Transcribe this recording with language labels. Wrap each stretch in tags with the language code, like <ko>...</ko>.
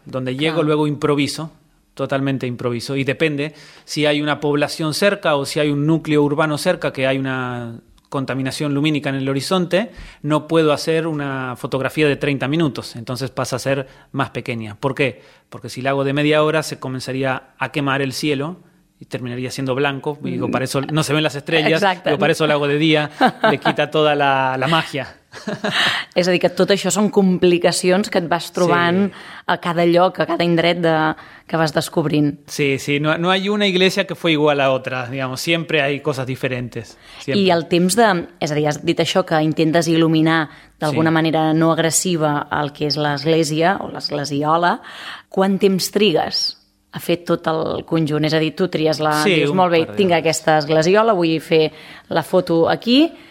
<es>Donde llego, luego improviso. Totalmente improviso, y depende si hay una población cerca o si hay un núcleo urbano cerca, que hay una contaminación lumínica en el horizonte, no puedo hacer una fotografía de 30 minutos, entonces pasa a ser más pequeña. ¿Por qué? Porque si la hago de media hora se comenzaría a quemar el cielo y terminaría siendo blanco, y digo, para eso no se ven las estrellas, digo, para eso la hago de día, le quita toda la magia.</es> <ca>És a dir, que tot això són complicacions que et vas trobant, sí, a cada lloc, a cada indret que vas descobrint.</ca> <es>Sí, no hay una iglesia que fue igual a otra, digamos, siempre hay cosas diferentes.</es> <ca>I el temps de... És a dir, has dit això, que intentes il·luminar d'alguna manera no agressiva el que és l'església o l'esglesiola. Quant temps trigues a fer tot el conjunt? És a dir, tu tries la... Sí, dius, molt bé, tinc aquesta esglesiola, vull fer la foto aquí...</ca>